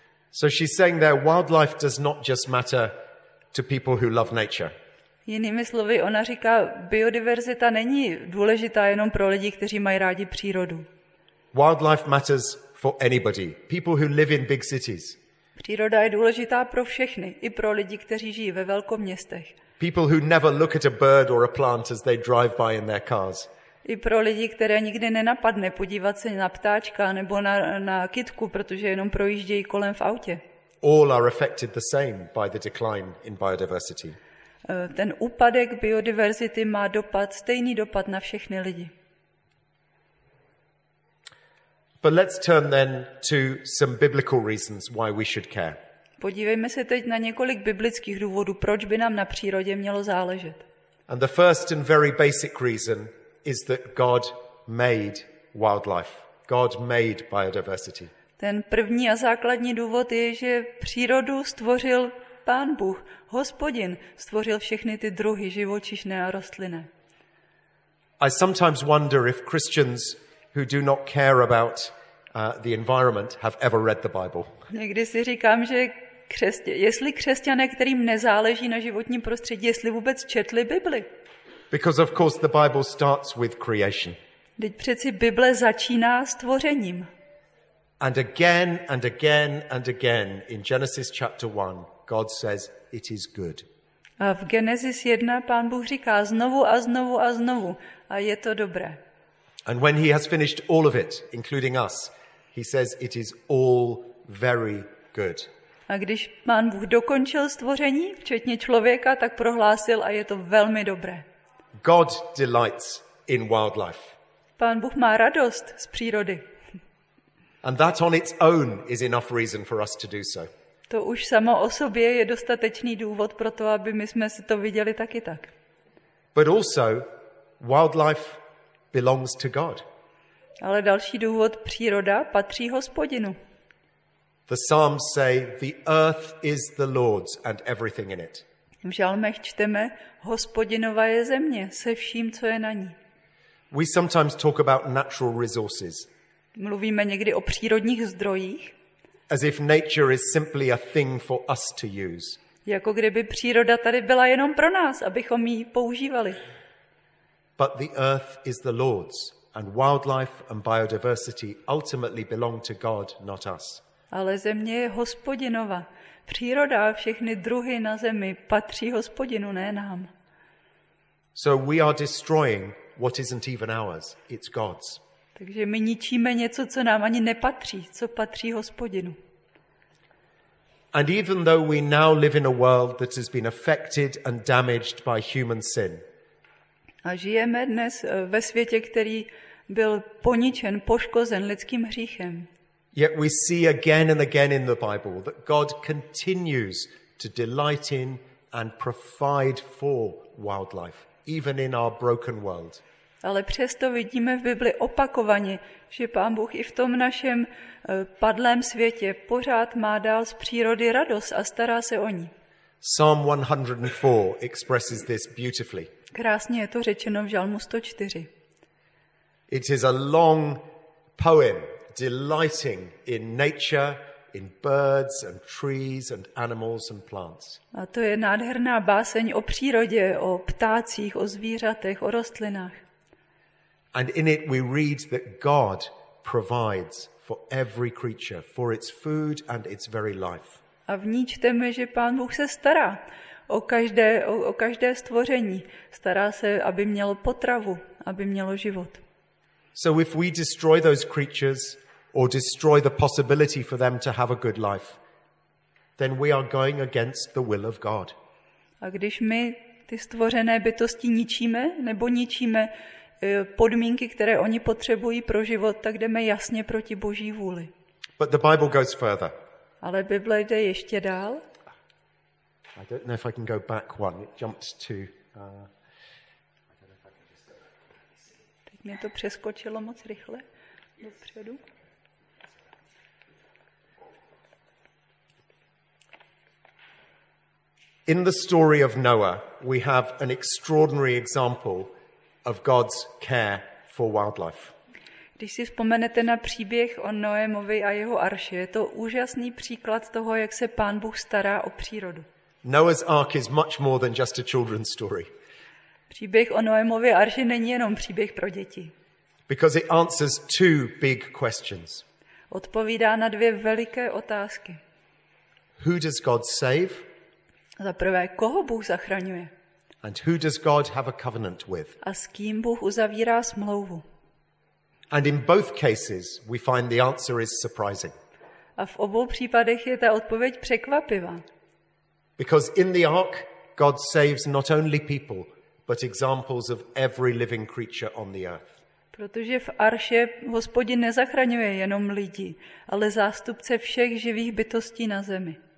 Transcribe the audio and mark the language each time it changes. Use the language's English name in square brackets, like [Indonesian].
[English] So she's saying that wildlife does not just matter to people who love nature. [Czech] Jinými slovy, ona říká, biodiverzita není důležitá jenom pro lidi, kteří mají rádi přírodu. [English] Wildlife matters for anybody, people who live in big cities. [Czech] Příroda je důležitá pro všechny, i pro lidi, kteří žijí ve velkoměstech. [English] People who never look at a bird or a plant as they drive by in their cars. [Czech] I pro lidi, které nikdy nenapadne podívat se na ptáčka nebo na kytku, protože jenom projíždějí kolem v autě. [English] All are affected the same by the decline in biodiversity. [Czech] Ten úpadek biodiverzity má dopad, stejný dopad na všechny lidi. [English] But let's turn then to some biblical reasons why we should care. [Czech] Podívejme se teď na několik biblických důvodů, proč by nám na přírodě mělo záležet. [English] And the first and very basic reason is that God made wildlife. God made biodiversity. [Czech] Ten první a základní důvod je, že přírodu stvořil Pán Bůh, Hospodin, stvořil všechny ty druhy živočišné a rostlinné. [English] I sometimes wonder if Christians who do not care about the environment have ever read the Bible. [Czech] Někdy si říkám, že jestli křesťané, kterým nezáleží na životním prostředí, jestli vůbec četli Bibli. [English] Because of course the Bible starts with creation. [Czech] Teď přeci Bible začíná stvořením. [English] And again and again and again in Genesis chapter 1 God says it is good. [Czech] A v Genesis 1 Pán Bůh říká znovu a znovu a znovu a je to dobré. [English] And when he has finished all of it including us he says it is all very good. [Czech] A když Pán Bůh dokončil stvoření včetně člověka, tak prohlásil a je to velmi dobré. [English] God delights in wildlife. [Czech] Pán Bůh má radost z přírody. [English] And that on its own is enough reason for us to do so. [Czech] To už samo o sobě je dostatečný důvod pro to, aby my jsme si to viděli taky tak. [English] But also wildlife belongs to God. [Czech] Ale další důvod, příroda patří Hospodinu. [English] The Psalms say the earth is the Lord's and everything in it. [Czech] V žalmech čteme, Hospodinova je země se vším, co je na ní. [English] We sometimes talk about natural resources. [Czech] Mluvíme někdy o přírodních zdrojích. [English] As if nature is simply a thing for us to use. [Czech] Jako kdyby příroda tady byla jenom pro nás, abychom ji používali. [English] But the earth is the Lord's, and wildlife and biodiversity ultimately belong to God, not us. [Czech] Ale země je Hospodinova. Příroda a všechny druhy na zemi patří Hospodinu, ne nám. [English] So we are destroying what isn't even ours. It's God's. [Czech] Takže my ničíme něco, co nám ani nepatří, co patří Hospodinu. [English] And even though we now live in a world that has been affected and damaged by human sin. [Czech] A žijeme dnes ve světě, který byl poničen, poškozen lidským hříchem. [English] Yet we see again and again in the Bible that God continues to delight in and provide for wildlife, even in our broken world. [Czech] Ale přesto vidíme v Bibli opakovaně, že Pán Bůh i v tom našem padlém světě pořád má dál z přírody radost a stará se o ní. [English] Psalm 104 expresses this beautifully. [Czech] Krásně je to řečeno v žalmu 104. [English] It is a long poem delighting in nature, in birds and trees and animals and plants. [Czech] A to je nádherná báseň o přírodě, o ptácích, o zvířatech, o rostlinách. [English] And in it we read that God provides for every creature, for its food and its very life. [Czech] A v ní čteme, že Pán Bůh se stará o každé stvoření. Stará se, aby mělo potravu, aby mělo život. [English] So if we destroy those creatures or destroy the possibility for them to have a good life, then we are going against the will of God. [Czech] A když my ty stvořené bytosti ničíme nebo ničíme podmínky, které oni potřebují pro život, tak jdeme jasně proti Boží vůli. [English] But the Bible goes further. [Czech] Ale Bible jde ještě dál. [English] I don't know if I can go back one. It jumped to... [Czech] Teď mě to přeskočilo moc rychle dopředu. [English] In the story of Noah, we have an extraordinary example of God's care for wildlife. [Czech] Když si vzpomenete na příběh o Noémovi a jeho arši, je to úžasný příklad toho, jak se Pán Bůh stará o přírodu. [English] Noah's ark is much more than just a children's story. [Czech] Příběh o Noémově arši není jenom příběh pro děti. [English] Because it answers two big questions. [Czech] Odpovídá na dvě veliké otázky. [English] Who does God save? [Czech] Za prvé, koho Bůh zachraňuje? [English] And who does God have a covenant with? [Czech] A s kým Bůh uzavírá smlouvu? [English] And in both cases, we find the answer is surprising. [Czech] A v obou případech je ta odpověď překvapivá. [English] Because in the ark, God saves not only people, but examples of every living creature on the earth. [Czech] Protože v arše Hospodin nezachraňuje jenom lidi, ale zástupce všech živých bytostí na zemi.